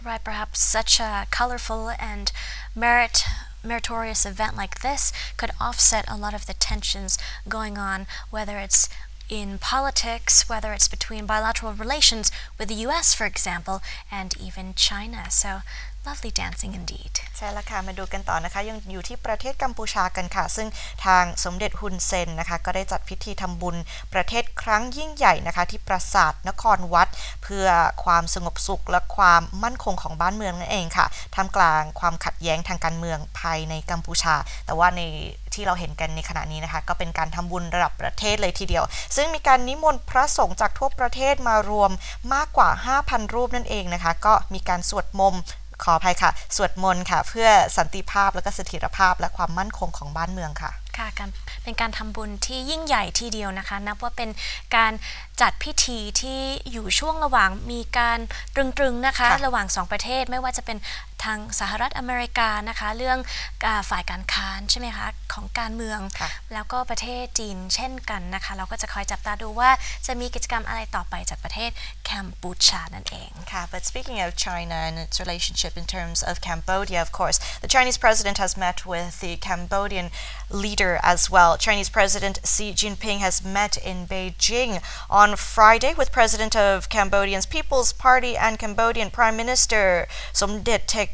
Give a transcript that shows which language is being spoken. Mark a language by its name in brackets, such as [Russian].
[English] Right, perhaps such a colorful and meritorious event like this could offset a lot of the tensions going on, whether it's in politics, whether it's between bilateral relations with the US, for example, and even China. So lovely dancing indeed. [Thai] ใช่แล้วค่ะมาดูกันต่อนะคะยังอยู่ที่ประเทศกัมพูชากันค่ะซึ่งทางสมเด็จฮุนเซนนะคะก็ได้จัดพิธีทำบุญประเทศครั้งยิ่งใหญ่นะคะที่ปราสาทนครวัดเพื่อความสงบสุขและความมั่นคงของบ้านเมืองนั่นเองค่ะท่ามกลางความขัดแย้งทางการเมืองภายในกัมพูชาแต่ว่าใน ที่เราเห็นกันในขณะนี้นะคะก็เป็นการทำบุญระดับประเทศเลยทีเดียวซึ่งมีการนิมนต์พระสงฆ์จากทั่วประเทศมารวมมากกว่า 5,000 รูปนั่นเองนะคะก็มีการสวดมนต์ขออภัยค่ะสวดมนต์ค่ะเพื่อสันติภาพและก็เสถียรภาพและความมั่นคงของบ้านเมืองค่ะ ค่ะเป็นการทำบุญที่ยิ่งใหญ่ทีเดียวนะคะนับว่าเป็นการจัดพิธีที่อยู่ช่วงระหว่างมีการตรึงๆนะคะระหว่างสองประเทศไม่ว่าจะเป็นทางสหรัฐอเมริกานะคะเรื่องฝ่ายการค้านใช่ไหมคะของการเมืองแล้วก็ประเทศจีนเช่นกันนะคะเราก็จะคอยจับตาดูว่าจะมีกิจกรรมอะไรต่อไปจากประเทศแคมบูชานั่นเอง [English] ค่ะ but speaking of China and its relationship in terms of Cambodia of course the Chinese president has met with the Cambodian leader as well Chinese president Xi Jinping has met in Beijing on Friday with president of Cambodian's People's Party and Cambodian Prime Minister Somdet